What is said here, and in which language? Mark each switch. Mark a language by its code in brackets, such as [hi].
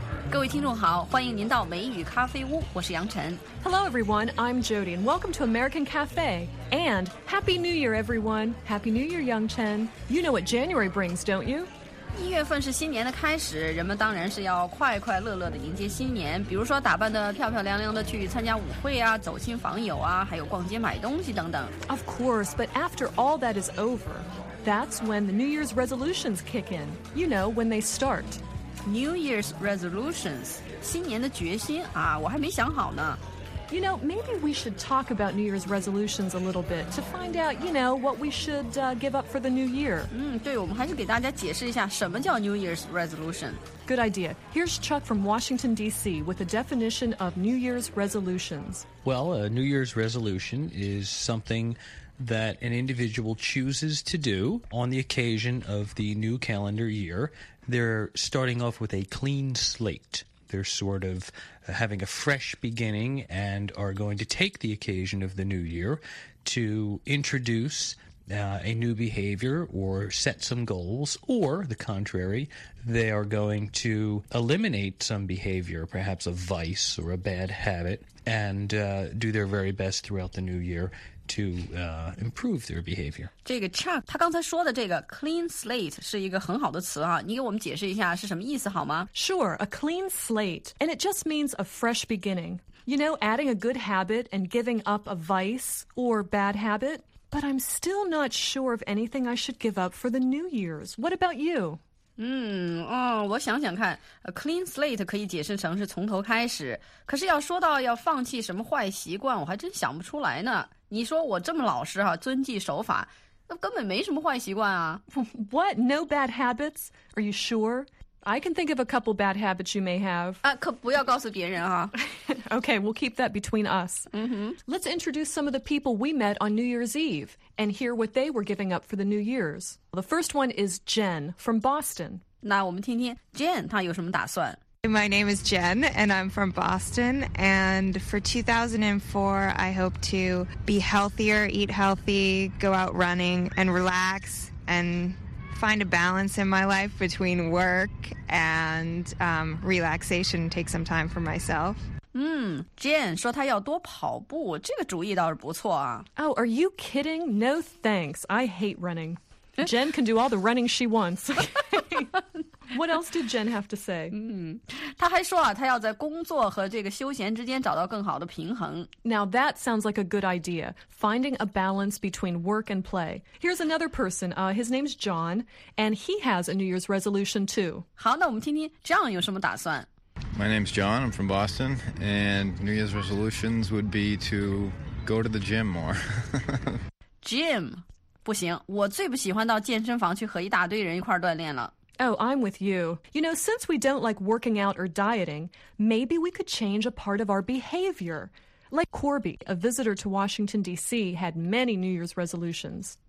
[zh] 各位听众好，欢迎您到美语咖啡屋，我是杨晨。 [en] Hello everyone, I'm Jody, and welcome to American Cafe. And Happy New Year, everyone. Happy New Year, Yang Chen. You know what January brings, don't you? [zh] 一月份是新年的开始，人们当然是要快快乐乐地迎接新年，比如说打扮得漂漂亮亮地去参加舞会啊，走亲访友啊，还有逛街买东西等等。 [en] Of course, but after all that is over, that's when the New Year's resolutions kick in. You know, when they start. [zh] New Year's resolutions, 新年的决心啊，我还没想好呢。 [en] You know, maybe we should talk about New Year's resolutions a little bit to find out, you know, what we should, give up for the new year. [zh] 对，我们还是给大家解释一下什么叫 New Year's resolution. [en] Good idea. Here's Chuck from Washington, D.C. with a definition of New Year's resolutions. Well, a New Year's resolution is something... that an individual chooses to do on the occasion of the new calendar year. They're starting off with a clean slate. They're sort of having a fresh beginning and are going to take the occasion of the new year to introduce, a new behavior or set some goals, or the contrary, they are going to eliminate some behavior, perhaps a vice or a bad habit, and, do their very best throughout the new year. To improve their behavior. [zh] 这个 Chuck, 他刚才说的这个 clean slate 是一个很好的词啊，你给我们解释一下是什么意思好吗？ [en] Sure, a clean slate, and it just means a fresh beginning. You know, adding a good habit and giving up a vice or bad habit. But I'm still not sure of anything I should give up for the New Year's. What about you? [zh] 我想想看 ，a clean slate 可以解释成是从头开始。可是要说到要放弃什么坏习惯，我还真想不出来呢。你说我这么老实哈，遵纪守法，那根本没什么坏习惯啊。 [en] What? No bad habits? Are you sure? I can think of a couple bad habits you may have. [zh] 啊，可不要告诉别人啊。 [en] Okay, we'll keep that between us. Mm-hmm. Let's introduce some of the people we met on New Year's Eve and hear what they were giving up for the New Year's. The first one is Jen from Boston. [zh] 那我们听听 Jen 她有什么打算。 [en] My name is Jen, and I'm from Boston. And for 2004, I hope to be healthier, eat healthy, go out running, and relax, and find a balance in my life between work and, relaxation, take some time for myself. [zh] Jane 说她要多跑步，这个主意倒是不错啊。 [en] Oh, are you kidding? No thanks. I hate running. Jen can do all the running she wants. What else did Jen have to say? [zh] 她还说啊，她要在工作和这个休闲之间找到更好的平衡。 [en] Now that sounds like a good idea, finding a balance between work and play. Here's another person. His name's John, and he has a New Year's resolution too. [zh] 好，那我们听听 John 有什么打算。 [en] My name's John, I'm from Boston, and New Year's resolutions would be to go to the gym more. Gym? [zh] 不行，我最不喜欢到健身房去和一大堆人一块锻炼了。 [en] Oh, I'm with you. You know, since we don't like working out or dieting, maybe we could change a part of our behavior. Like Corby, a visitor to Washington, D.C., had many New Year's resolutions.